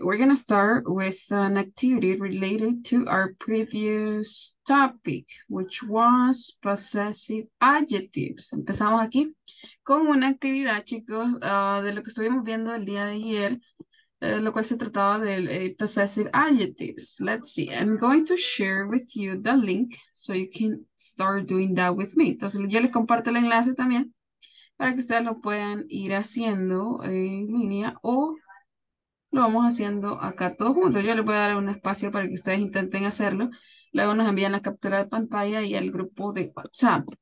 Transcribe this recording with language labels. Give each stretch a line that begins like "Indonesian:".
English: We're gonna start with an activity related to our previous topic, which was possessive adjectives.
Spanish: Empezamos aquí con una actividad, chicos, de lo que estuvimos viendo el día de ayer, lo cual se trataba de possessive adjectives.
English: Let's see. I'm going to share with you the link so you can start doing that with me.
Spanish: Entonces, yo les comparto el enlace también para que ustedes lo puedan ir haciendo en línea o lo vamos haciendo acá todos juntos. Yo les voy a dar un espacio para que ustedes intenten hacerlo. Luego nos envían la captura de pantalla y al grupo de WhatsApp.